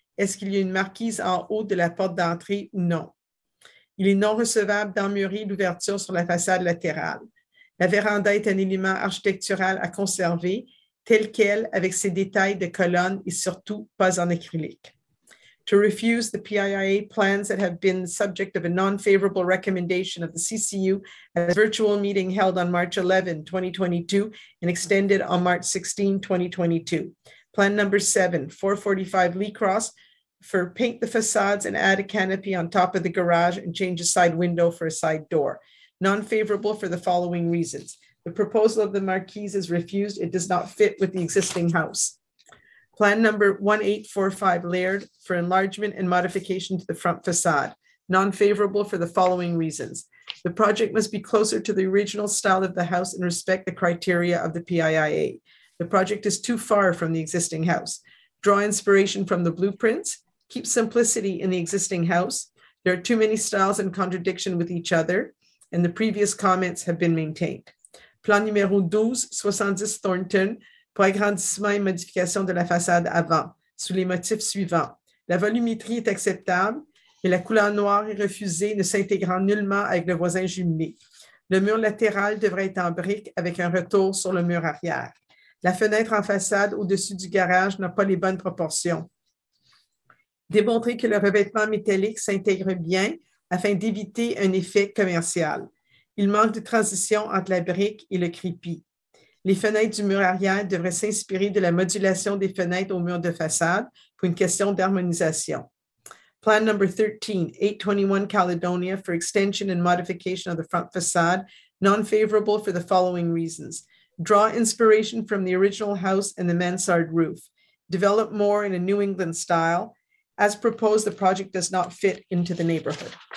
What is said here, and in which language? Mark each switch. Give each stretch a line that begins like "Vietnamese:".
French: Est-ce qu'il y a une marquise en haut de la porte d'entrée ou non? Il est non recevable d'emmurer l'ouverture sur la façade latérale. La véranda est un élément architectural à conserver, tel quel avec ses détails de colonnes et surtout pas en acrylique.
English: To refuse the PIIA plans that have been the subject of a non-favorable recommendation of the CCU at a virtual meeting held on March 11, 2022 and extended on March 16, 2022. Plan number 7445 Lee Cross for paint the facades and add a canopy on top of the garage and change a side window for a side door. Non-favorable for the following reasons. The proposal of the marquise is refused. It does not fit with the existing house. Plan number 1845 Laird for enlargement and modification to the front facade. Non-favorable for the following reasons. The project must be closer to the original style of the house and respect the criteria of the PIIA. The project is too far from the existing house. Draw inspiration from the blueprints. Keep simplicity in the existing house. There are too many styles in contradiction with each other, and the previous comments have been maintained.
French: Plan numéro 1270 Thornton, pour agrandissement et modification de la façade avant, sous les motifs suivants. La volumétrie est acceptable, mais la couleur noire est refusée, ne s'intégrant nullement avec le voisin jumelé. Le mur latéral devrait être en brique avec un retour sur le mur arrière. La fenêtre en façade au-dessus du garage n'a pas les bonnes proportions. Démontrer que le revêtement métallique s'intègre bien afin d'éviter un effet commercial. Il manque de transition entre la brique et le crépi. Les fenêtres du mur arrière devraient s'inspirer de la modulation des fenêtres au mur de façade pour une question d'harmonisation.
English: Plan number 13, 821 Caledonia for extension and modification of the front facade, non-favorable for the following reasons. Draw inspiration from the original house and the mansard roof. Develop more in a New England style. As proposed, the project does not fit into the neighborhood.